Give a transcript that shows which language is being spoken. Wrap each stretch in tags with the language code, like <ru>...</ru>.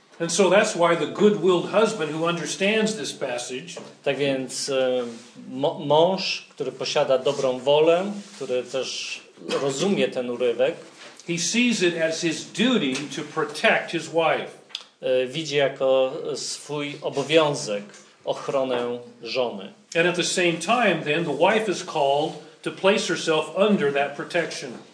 <en>And so that's why the good-willed husband who understands this passage,</en> <pl>tak więc mąż, który posiada dobrą wolę, który też rozumie ten urywek,</pl> <en>he sees it as his duty to protect his wife.</en> <pl>Widzi jako swój obowiązek ochronę żony.</pl> <en>And at the same time then the wife is called to place herself under that protection.</en>